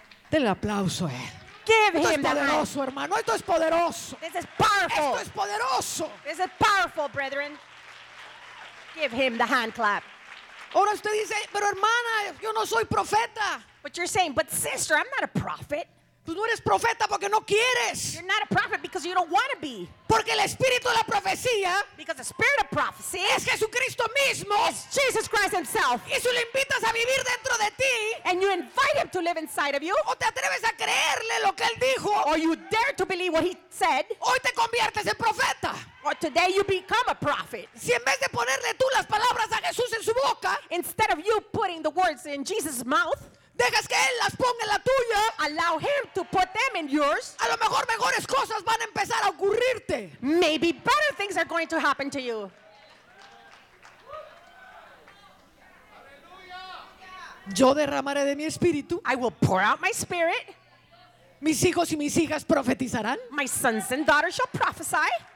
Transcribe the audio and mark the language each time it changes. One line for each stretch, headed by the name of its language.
Spanish: Denle el aplauso a él.
English: Give him the
Spanish: poderoso, hermano. Esto es poderoso.
English: This is powerful.
Spanish: Esto es poderoso.
English: This is powerful, brethren. Give him the hand clap.
Spanish: Ahora usted dice, pero hermana, yo no soy profeta.
English: But you're saying, but sister, I'm not a prophet.
Spanish: Pues no eres profeta porque no quieres.
English: You're not a prophet because you don't want to be.
Spanish: Porque el espíritu de la profecía,
English: because the spirit of prophecy,
Spanish: es Jesucristo mismo.
English: Is Jesus Christ himself.
Spanish: Y si lo invitas a vivir dentro de ti,
English: and you invite him to live inside of you,
Spanish: o te atreves a creerle lo que él dijo,
English: or you dare to believe what he said,
Spanish: hoy te conviertes en profeta.
English: Or today you become a prophet.
Spanish: Si en vez de ponerle tú las palabras a Jesús en su boca,
English: instead of you putting the words in Jesus' mouth,
Spanish: dejas que él las ponga en la tuya,
English: allow him to put them in yours,
Spanish: a lo mejor mejores cosas van a empezar a ocurrirte.
English: Maybe better things are going to happen to you.
Spanish: Yo derramaré de mi espíritu.
English: I will pour out my spirit.
Spanish: Mis hijos y mis hijas profetizarán.
English: My sons and daughters shall prophesy.